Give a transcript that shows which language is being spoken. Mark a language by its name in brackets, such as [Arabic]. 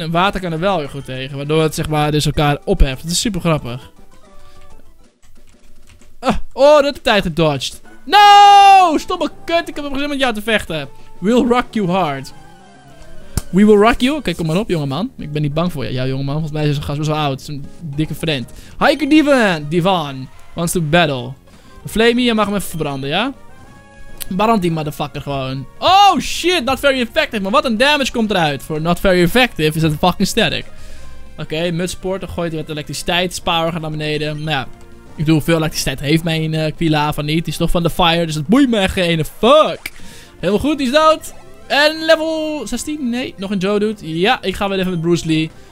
[Dutch] En water kan er wel weer goed tegen. Waardoor het zeg maar dus elkaar opheft. Dat is super grappig. Oh, dat heb ik tijd gedodged. No! Stomme kut, ik heb nog zin met jou te vechten. [English] We'll rock you hard. We will rock you. [Dutch] Oké, okay, kom maar op, jongeman. Ik ben niet bang voor jou, jongeman. Volgens mij is een gast best wel oud. Een dikke friend. [English] Hiker Divan wants to battle. [Dutch] Flamey, je mag hem even verbranden, ja? Brand die motherfucker gewoon. [English] Oh, shit, not very effective. [Dutch] Maar wat een damage komt eruit. Voor [English] not very effective [Dutch] is dat fucking sterk. Oké, okay, mutsport. Dan gooit hij wat elektriciteitspower gaat naar beneden. Nou ja. Ik bedoel, veel elektriciteit heeft mijn Quilava niet. Die is toch van de fire, dus dat boeit me echt geen fuck. Helemaal goed, die is dood. En level 16, nee, nog een Joe doet. Ja, ik ga weer even met Bruce Lee.